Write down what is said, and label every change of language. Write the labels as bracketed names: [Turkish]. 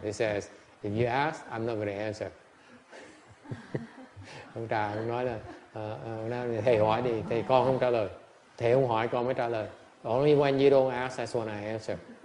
[English] He says, if you ask, I'm not going to answer. [Vietnamese] Ông Tràng nói là thầy hỏi đi, thầy con không trả lời. Thầy không hỏi con mới trả lời. [English] Only when you don't ask, that's when I answer.